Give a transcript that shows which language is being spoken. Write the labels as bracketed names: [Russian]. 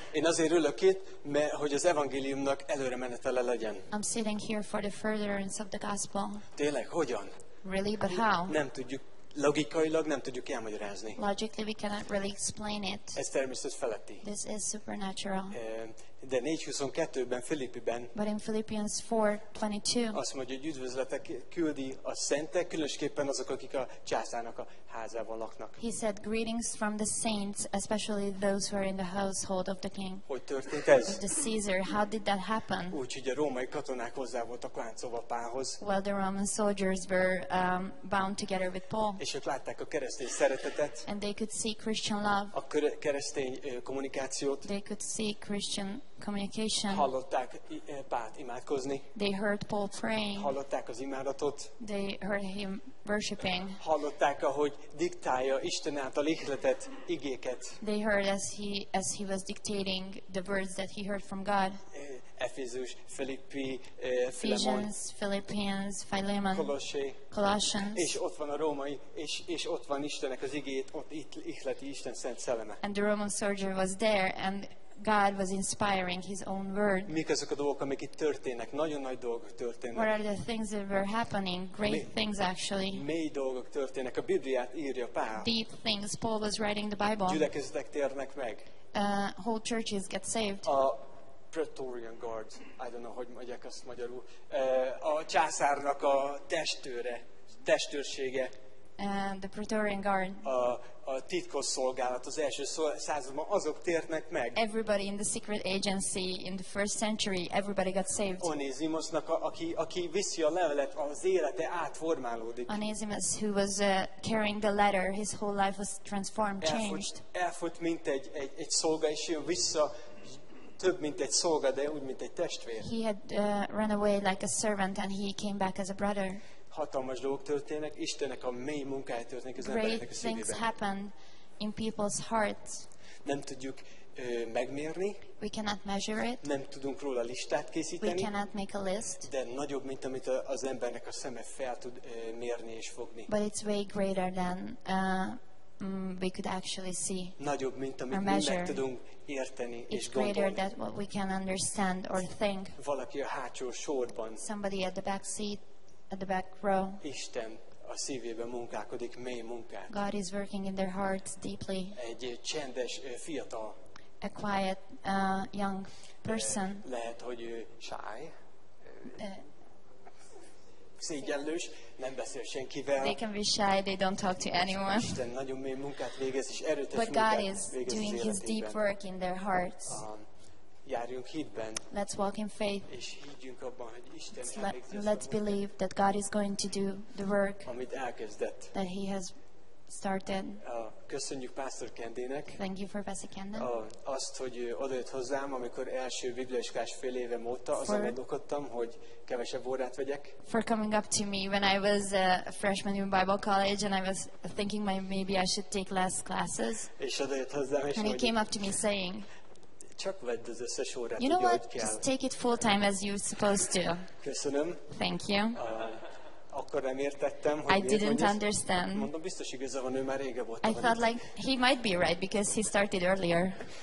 [Hungarian] Én azért ülök itt, mert hogy az evangéliumnak előre menetele legyen. [English] I'm sitting here for the furtherance of the gospel. [Hungarian] Tényleg, hogyan? [English] Really, but how? [Hungarian] Nem tudjuk. Logikailag nem tudjuk elmagyarázni. [English] Logically we cannot really explain it. [Hungarian] Ez természet feletti. [English] This is supernatural. [Hungarian] De 4:22-ben Filippiben. [English] But in Philippians 4:22. [Hungarian] Azt mondja, hogy üdvözletek küldi a szentek, különösképpen azok, akik a császárnak a házában laknak. [English] He said greetings from the saints, especially those who are in the household of the king. [Hungarian] Hogy történt ez? [English] The Caesar, how did that happen? [Hungarian] Úgy, hogy a római katonák hozzá voltak láncolva Pálhoz. [English] Well, the Roman soldiers were bound together with Paul. [Hungarian] És ott látták a keresztény szeretetet. [English] And they could see Christian love. [Hungarian] A keresztény kommunikációt. [English] They could see Christian communication. [Hungarian] Hallották Pált imádkozni. [English] They heard Paul praying. [Hungarian] Hallották az imádatot. [English] They heard him worshiping. [Hungarian] Hallották, ahogy diktálja Isten által ihletett igéket. [English] They heard as he was dictating the words that he heard from God. Ephesus, Philippi, Ephesians, Philippians, Philemon, Colossians. [Hungarian] És ott van a római, és ott van Istennek az igéjét, ott ihleti Isten szent szelleme. [English] And the Roman soldier was there, and God was inspiring his own word. [Hungarian] Mik azok a dolgok, amik itt történnek? Nagyon nagy dolgok történnek. [English] What are the things that were happening? Great things, actually. [Hungarian] Mély dolgok történnek. A Bibliát írja Pál. [English] Deep things. Paul was writing the Bible. [Hungarian] Gyülekezetek térnek meg. [English] Whole churches get saved. A Praetorian Guard. I don't know, [Hungarian] hogy mondják azt magyarul. A császárnak a testőre, testőrsége. [English] The Praetorian Guard. [Hungarian] A titkos szolgálat az első században azok tértnek meg. [English] Everybody in the secret agency in the first century, everybody got saved. [Hungarian] Onesimusnak, aki viszi a levelet, az élete átformálódik. [English] Onesimus, who was carrying the letter, his whole life was transformed, changed. [Hungarian] Elfut mint egy szolga, és jön vissza több mint egy szolga, de úgy mint egy testvér. [English] He had run away like a servant, and he came back as a brother. [Hungarian] Hatalmas dolgok történnek, Istennek a mély munkája történik az embereknek a szívében. [English] Great things happen in people's hearts. [Hungarian] Nem tudjuk megmérni. [English] We cannot measure it. [Hungarian] Nem tudunk róla listát készíteni. [English] We cannot make a list. [Hungarian] De nagyobb, mint amit az embernek a szeme fel tud mérni és fogni. [English] But it's way greater than we could actually see. [Hungarian] Nagyobb, mint amit meg tudunk érteni [English] it's [Hungarian] és gondolni. [English] It's greater than what we can understand or think. [Hungarian] Valaki a hátsó sorban. [English] Somebody at the back seat. At the back row. [Hungarian] Isten a szívében munkálkodik mély munkát. [English] God is working in their hearts deeply. [Hungarian] Egy csendes fiatal. [English] A quiet young person. [Hungarian] Lehet, hogy shy. Szégyellős, nem beszél senkivel. [English] They can be shy, they don't talk to anyone. [Hungarian] Isten nagyon mély munkát végez és erőteljes munkát. [English] But God is doing his deep work in their hearts. [Hungarian] Járjunk hitben. [English] Let's walk in faith. [Hungarian] És higgyünk abban, hogy Isten elvégzi. [English] Let's believe that God is going to do the work. [Hungarian] Amit elkezdett. [English] That he has started. [Hungarian] Köszönjük Pastor Kendének. [English] Thank you for Pastor Kenden. [Hungarian] Azt, hogy odajött hozzám, amikor első bibliaiskolás fél évem óta, azon gondolkodtam, hogy kevesebb órát vegyek. [English] For coming up to me when I was a freshman in Bible college and I was thinking maybe I should take less classes. [Hungarian] És odajött hozzám, [English] and he came up to me saying, [Hungarian] csak vedd az összes órát, [English] you know [Hungarian] hogy [English] what? [Hungarian] Kell. [English] Just take it full time as you're supposed to. [Hungarian] Köszönöm. [English] Thank you. [Hungarian] Akkor nem értettem, hogy [English] I didn't understand. [Hungarian] Mondom, biztos igaza van, ő már rége volt. [English] I thought like he might be right because he started earlier.